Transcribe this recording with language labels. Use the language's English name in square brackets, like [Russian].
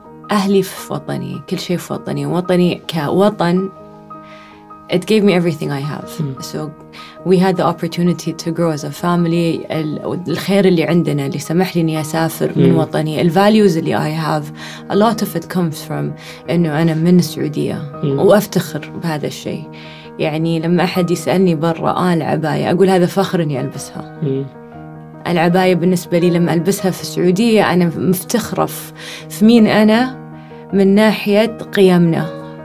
[Arabic] أهلي في وطني, كل شيء في وطني. وطني كوطن [English] it gave me everything I have. So we had the opportunity to grow as a family. [Arabic] الخير اللي عندنا اللي سمح لي إني أسافر من وطني, [English] the values [Arabic] اللي [English] I have, a lot of it comes from [Arabic] إنه أنا من السعودية وأفتخر بهذا الشيء. يعني لما أحد يسألني برا العباية أقول هذا فخر إني ألبسها. العباية بالنسبة لي لما ألبسها في السعودية أنا مفتخرة في مين أنا من ناحية قيمنا.